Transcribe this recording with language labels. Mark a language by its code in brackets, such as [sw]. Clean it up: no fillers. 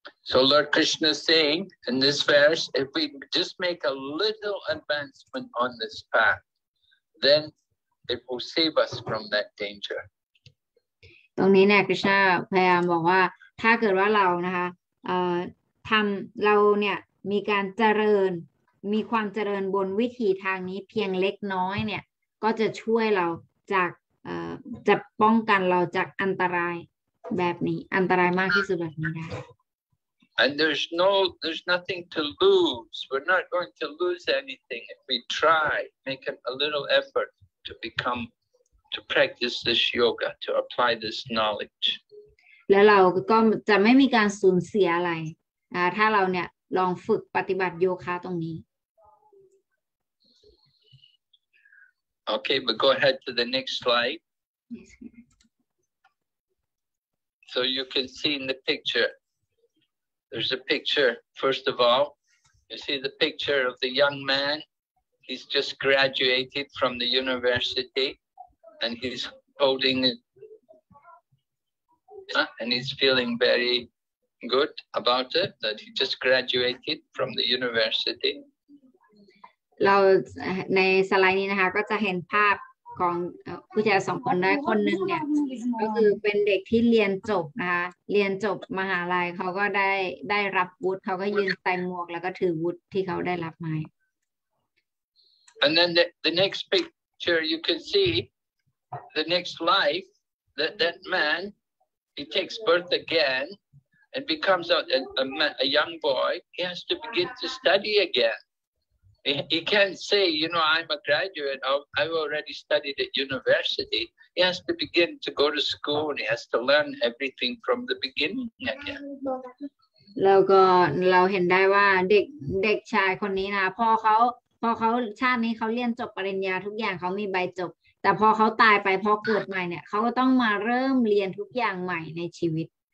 [en] So Lord Krishna is saying in this verse, if we just make a little advancement on this path, then it will save us from that danger. [th] ตรงนี้เนี่ยคริชนาพยายามบอกว่าถ้าเกิดว่าเรานะคะทำเราเนี่ยมีการเจริญมีความเจริญบนวิถีทางนี้เพียงเล็กน้อยเนี่ยก็จะช่วยเราจาก จะป้องกันเราจากอันตรายแบบนี้อันตรายมากที่สุดแบบนี้ได้ [en] And there's nothing to lose. We're not going to lose anything if we try, make a little effort to become, to practice this yoga, to apply this knowledge. [th] แล้วเราก็จะไม่มีการสูญเสียอะไรถ้าเราเนี่ยลองฝึกปฏิบัติโยคะตรงนี้ [en] Okay, but go ahead to the next slide. So you can see in the picture, there's a picture, first of all, you see the picture of the young man. He's just graduated from the university and he's holding it. And he's feeling very good about it, that he just graduated from the university. [th] เราในสไลด์นี้นะคะก็จะเห็นภาพของผู้ชายสองคนได้คนหนึ่งเนี่ยก็คือเป็นเด็กที่เรียนจบนะคะเรียนจบมหาลัยเขาก็ได้รับวุฒิเขาก็ยืนใส่หมวกแล้วก็ถือวุฒิที่เขาได้รับมา [en] And then the next picture you can see the next life that man he takes birth again and becomes a young boy he has to begin to study againHe can't say, you know, I'm a graduate. I've already studied at university. He has to begin to go to school. And he has to learn everything from the beginning again. [th] แล้วก็เราเห็นได้ว่าเด็กชายคนนี้นะพอเขาชาตินี้เขาเรียนจบปริญญาทุกอย่างเขามีใบจบแต่พอเขาตายไปพอเกิดใหม่เนี่ยเขาก็ต้องมาเริ่มเรียนทุกอย่างใหม่ในชีวิต